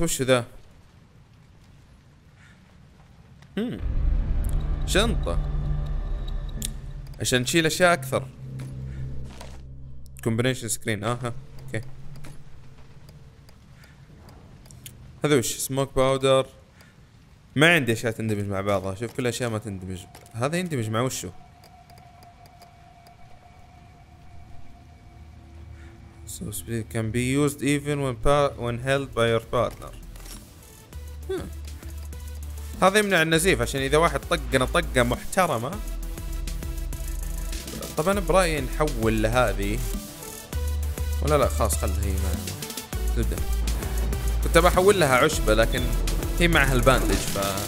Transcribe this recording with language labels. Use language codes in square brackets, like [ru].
[ar] وش ذا؟ شنطه عشان نشيل اشياء اكثر. كومبينيشن سكرين، اها اوكي. هذا وش؟ سموك باودر. ما عندي اشياء تندمج مع بعضها، شوف كل اشياء ما تندمج. هذا يندمج مع وشو؟ [en] So speed can be used even when held by your partner. [ar] هذا يمنع النزيف، عشان اذا واحد طقنا طقه محترمه. طبعا برايي نحول لهذه، ولا لا خلاص خلها هي ما تبدا. كنت بحول لها عشبه لكن هي معها الباندج، ف